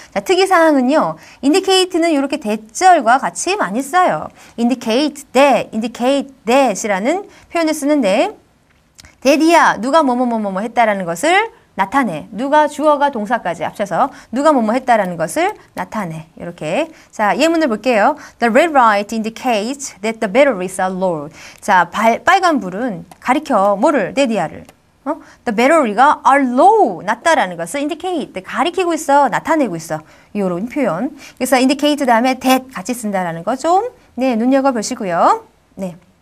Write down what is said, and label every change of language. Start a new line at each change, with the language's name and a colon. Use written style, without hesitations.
Korean: 자, 특이사항은요. indicate는 이렇게 대절과 같이 많이 써요.
English: indicate that,
Korean: indicate that이라는 표현을 쓰는데 that이야 누가 뭐뭐뭐뭐 했다라는 것을 나타내. 누가 주어가 동사까지 합쳐서 누가 뭐뭐 했다라는 것을 나타내. 이렇게. 자, 예문을 볼게요.
English: The red light indicates that the batteries are low.
Korean: 자, 빨간불은 가리켜 뭐를? 데디아를. 어? The battery가
English: are low.
Korean: 낮다라는 것을 indicate. 가리키고 있어. 나타내고 있어. 이런 표현. 그래서 indicate 다음에 that 같이 쓴다라는 거 좀 네, 눈여겨보시고요. 네.